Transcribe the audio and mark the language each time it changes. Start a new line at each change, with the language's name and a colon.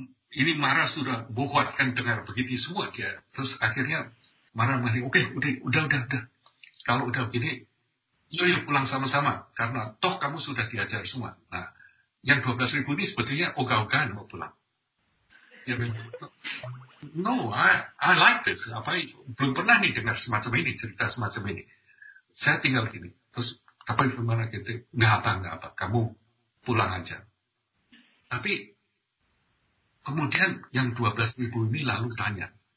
Indonesian: Ini Mara sudah bohongkan dengar begitu semua dia. Terus akhirnya Mara mengatakan, okay, udah. Kalau udah begini, yuk pulang sama-sama. Karena toh kamu sudah diajar semua. Nah, yang 12.000 ini sebetulnya ogah-ogahan mau pulang. Dia bilang,
English: no, I like this.
Indonesian: Apa, belum pernah nih dengar semacam ini, cerita semacam ini. Saya tinggal gini. Terus, apa yang kemana gitu? Nggak apa. Kamu pulang aja. Tapi, kemudian yang 12.000 ini lalu tanya.